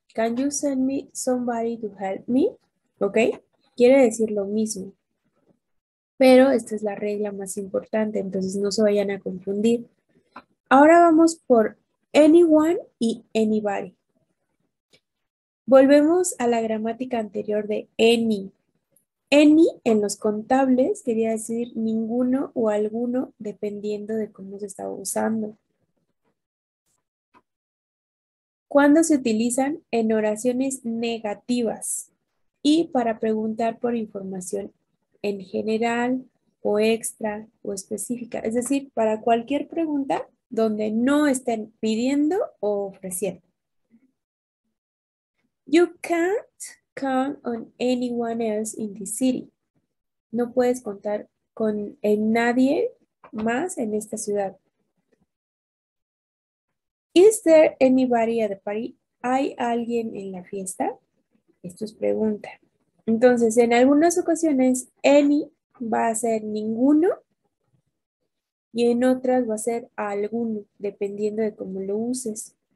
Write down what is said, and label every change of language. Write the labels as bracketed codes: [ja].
[en] Can you send me somebody to help me? [es] ¿Ok? Quiere decir lo mismo. Pero esta es la regla más importante, entonces no se vayan a confundir. Ahora vamos por anyone y anybody. Volvemos a la gramática anterior de any. Any en los contables quería decir ninguno o alguno, dependiendo de cómo se estaba usando. ¿Cuándo se utilizan? En oraciones negativas y para preguntar por información en general o extra o específica. Es decir, para cualquier pregunta donde no estén pidiendo o ofreciendo. [en] You can't count on anyone else in the city. [es] No puedes contar con en nadie más en esta ciudad. [en] Is there anybody at the party? [es] ¿Hay alguien en la fiesta? Esto es pregunta. Entonces, en algunas ocasiones, any va a ser ninguno y en otras va a ser alguno, dependiendo de cómo lo uses.